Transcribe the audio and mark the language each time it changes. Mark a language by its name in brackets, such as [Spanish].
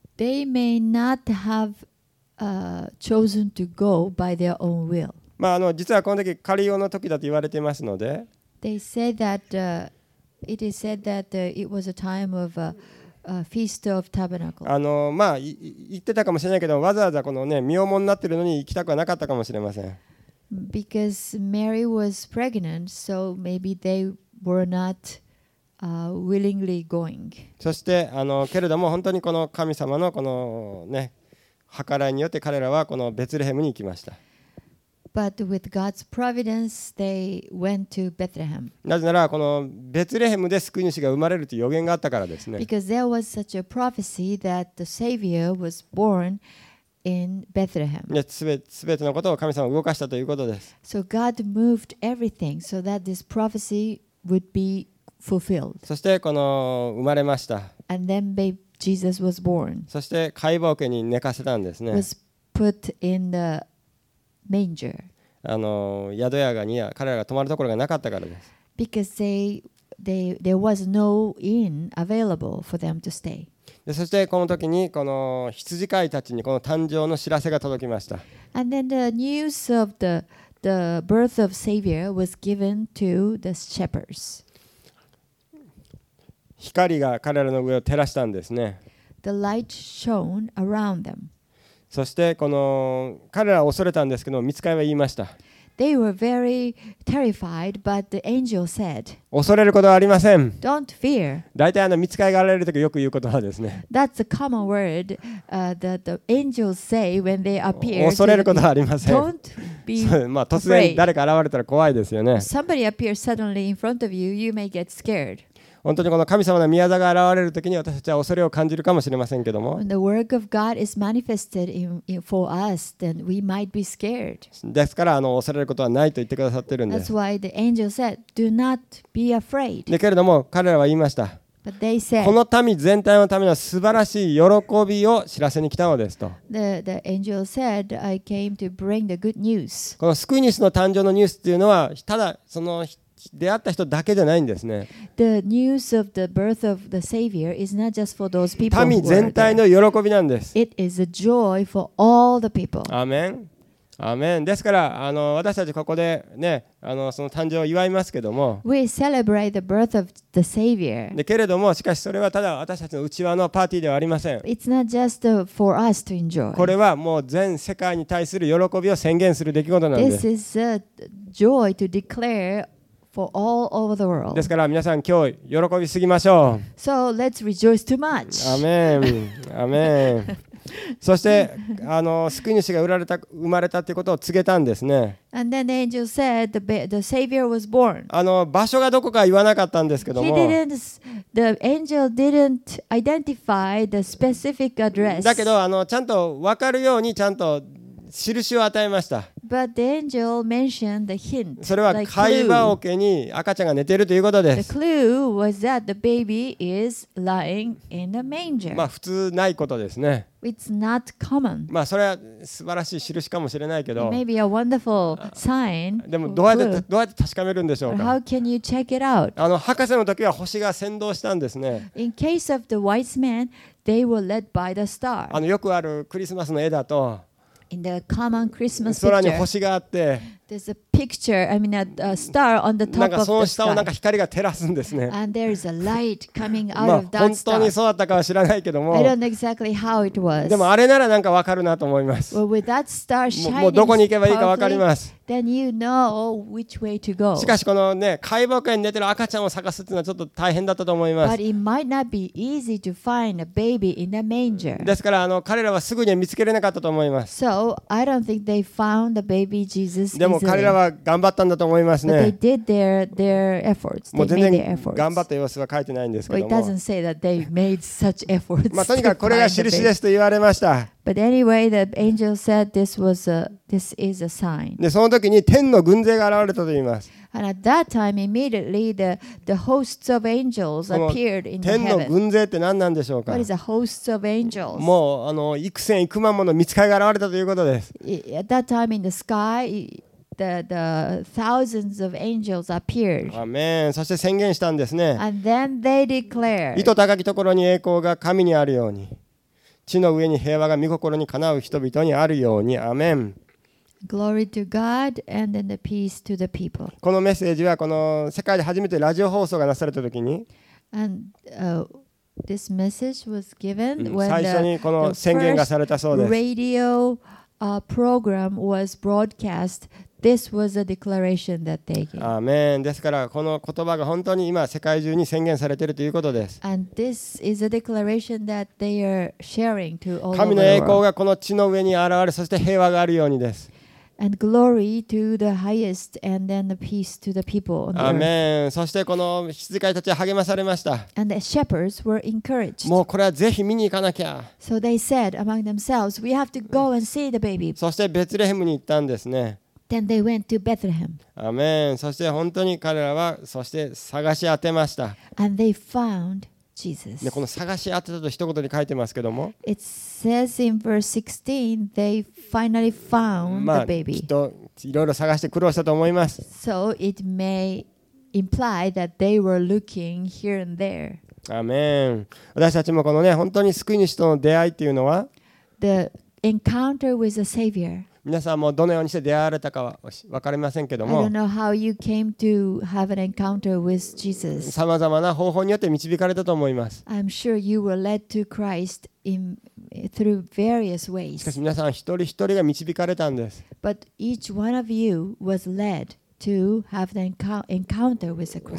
[English] They may not have chosen to go by their own will. [Japanese] まあ実はこの時カリオの時だと言われていますので、 [English] They say thatIt is said that it was a time of a feast of tabernacle. [Japanese] まあ言ってたかもしれないけど、わざわざこのね身重になってるのに行きたくはなかったかもしれません。 [English] Because Mary was pregnant, so maybe they were not willingly going. [Japanese] そしてけれども本当にこの神様のこのね計らいによって彼らはこのベツレヘムに行きました。 [English] But with God's providence, they went to Bethlehem. [Japanese] なぜならこのベツレヘムで救い主が生まれるという予言があったからですね。 [English] Because there was such a prophecy that the Savior was born in Bethlehem. [Japanese] すべてのことを神様が動かしたということです。 [English] So God moved everything so that this prophecy would be fulfilled. [Japanese] そしてこの生まれました。 [English] And then baby Jesus was born. [Japanese] そして解剖家に寝かせたんですね。 [English] Was put in the manger. [Japanese] 宿屋がに彼らが泊まるところがなかったからです。 [English] Because there was no inn available for them to stay. [Japanese] でそしてこの時にこの羊飼いたちにこの誕生の知らせが届きました。 [English] And then the news of the birth of Savior was given to the shepherds. [Japanese] 光が彼らの上を照らしたんですね。 [English] The light shone around them. [Japanese] そしてこの彼らは恐れたんですけど、御使いは言いました。 [English] They were very terrified, but the angel said, [Japanese] 恐れることはありません。 [English] Don't fear. [Japanese] 大体御使いが現れるときよく言う言葉ですね。 [English] That's a common word that the angels say when they appear. [Japanese] 恐れることはありません。 [English] Don't be afraid. [Japanese] まあ突然誰か現れたら怖いですよね。 [English] Somebody appears suddenly in front of you, you may get scared. [Japanese] 本当にこの神様の御業が現れるときに私たちは恐れを感じるかもしれませんけども。 [English] The work of God is manifested for us, then we might be scared. [Japanese] ですから恐れることはないと言ってくださってるんです。 [English] That's why the angel said, "Do not be afraid." [Japanese] だけれども彼らは言いました。 [English] But they said, [Japanese] この民全体のための素晴らしい喜びを知らせに来たのですと。 [English] The angel said, "I came to bring the good news." [Japanese] この救い主の誕生のニュースっていうのはただその出会った人だけじゃないんですね。 [English] The news of the birth of the Savior is not just for those people. [Japanese] 民全体の喜びなんです。 [English] It is a joy for all the people. [Japanese] アーメン、アーメン。ですから私たちここでね、その誕生を祝いますけども。 [English] We celebrate the birth of the Savior. [Japanese] でけれども、しかしそれはただ私たちの内輪のパーティーではありません。 [English] It's not just for us to enjoy. [Japanese] これはもう全世界に対する喜びを宣言する出来事なんです。 [English] This is a joy to declare. For all over the world. [Japanese] ですから皆さん今日喜びすぎましょう。 [English] So let's rejoice too much. [Japanese] アメン、アメン。そして救い主が生まれたということを告げたんですね。 [English] And then the angel said the Savior was born. [Japanese] 場所がどこか言わなかったんですけども。 [English] The angel didn't identify the specific address. [Japanese] だけどちゃんと分かるようにちゃんと印を与えました。 [English] But the angel mentioned the hint. [Japanese] それは貝場桶に赤ちゃんが寝ているということです。 [English] The clue was that the baby is lying in the manger. [Japanese] まあ普通ないことですね。 [English] It's not common. [Japanese] まあそれは素晴らしい印かもしれないけど。 [English] Maybe a wonderful sign. [Japanese] でもどうやって確かめるんでしょうか。 [English] How can you check it out? [Japanese] 博士の時は星が先導したんですね。 [English] In case of the wise men, they were led by the star. [Japanese] よくあるクリスマスの絵だと。 [English] In the common Christmas [Japanese] picture, 空に星があって、 [English] there's a picture, I mean a star on the top of the sky. [Japanese] その下をなんか光が照らすんですね。 [English] And there is a light coming out of that star. [Japanese] 本当にそうだったかは知らないけども、 [English] I don't know exactly how it was. [Japanese] でもあれならなんかわかるなと思います。 [English] Well, with that star shining, [Japanese] もうどこに行けばいいかわかります。 [English] Then you know which way to go. [Japanese] しかしこのね、解剖家に寝てる赤ちゃんを探すっていうのはちょっと大変だったと思います。 [English] But it might not be easy to find a baby in the manger. [Japanese] ですから彼らはすぐには見つけれなかったと思います。 [English] So I don't think they found the baby Jesus. [Japanese] でも彼らは頑張ったんだと思いますね。 [English] But they did their efforts. [Japanese] もう全然頑張った様子は書いてないんですけども。 [English] Well, it doesn't say that they made such efforts. [Japanese] まあとにかくこれが印ですと言われました。 [English] But anyway, the angel said this is a sign. [Japanese] で、その時に天の軍勢が現れたと言います。 [English] And at that time, immediately the hosts of angels appeared in heaven. [Japanese] 天の軍勢って何なんでしょうか。 [English] What is the hosts of angels? [Japanese] もう幾千幾万もの御使いが現れたということです。 [English] At that time in the sky, the thousands of angels appeared. Amen. [Japanese] そして宣言したんですね。 [English] And then they declared. [Japanese] 糸高きところに栄光が神にあるように。地の上に平和が御心にかなう人々にあるようにアメン。 [English] Glory to God and then the peace to the people. [Japanese] このメッセージはこの世界で初めてラジオ放送がなされた時に。 [English] And this message was given when [Japanese] 最初にこの宣言がされたそうです。 [English] Radio program was broadcast. This was a declaration that they gave. [Japanese] アメン。ですからこの言葉が本当に今世界中に宣言されているということです。 [English] And this is a declaration that they are sharing to all the world. [Japanese] 神の栄光がこの地の上に現れ、そして平和があるようにです。 [English] And glory to the highest, and then the peace to the people on the earth. Amen. [Japanese] そしてこの羊飼いたちは励まされました。 [English] And the shepherds were encouraged. [Japanese] もうこれはぜひ見に行かなきゃ。 [English] So they said among themselves, we have to go and see the baby. [Japanese] そしてベツレヘムに行ったんですね。 [English] Then they went to Bethlehem. Amen. [Japanese] そして本当に彼らはそして探し当てました。 [English] And they found. [Japanese] ね、この探し当てたと一言に書いてますけども、 [English] It says in verse 16, they finally found the baby. [Japanese] まあ、きっといろいろ探して苦労したと思います。 [English] So it may imply that they were looking here and there. Amen. [Japanese] 私たちもこのね、本当に救い主との出会いっていうのは、 [English] The encounter with the Savior. [Japanese] 皆さんもどのようにして出会われたかは分かりませんけども、様々な方法によって導かれたと思います。 [English] I'm sure you were led to Christ in through various ways. [Japanese] しかし皆さん一人一人が導かれたんです。 [English] But each one of you was led to have an encounter with Christ.